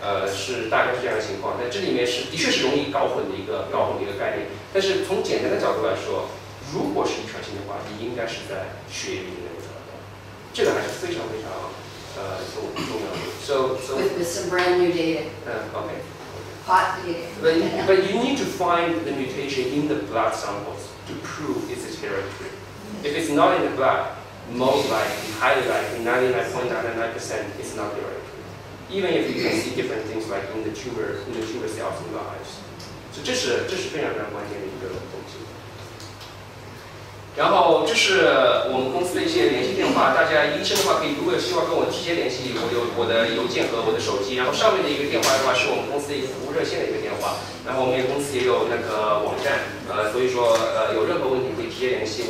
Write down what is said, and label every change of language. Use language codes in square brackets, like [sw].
[zh] 是大概是这样的情况。但这里面是的确是容易搞混的一个概念。但是从简单的角度来说，如果是遗传性的话，你应该是在血液里面。这个还是非常非常重要的。 [en] With some brand new data. Hot data. But you need to find the mutation in the blood samples to prove it's a hereditary. If it's not in the blood, most likely, highly likely, 99.99% it's not hereditary. Even if you can see different things like in the tumor cells in the eyes. [zh] So 这是非常关键的一个东西。然后这是我们公司的一些联系电话，大家医生的话可以，如果希望跟我直接联系，我的邮件和我的手机。然后上面的一个电话的话是我们公司的一个服务热线的一个电话，然后我们公司也有那个网站，所以说有任何问题可以直接联系。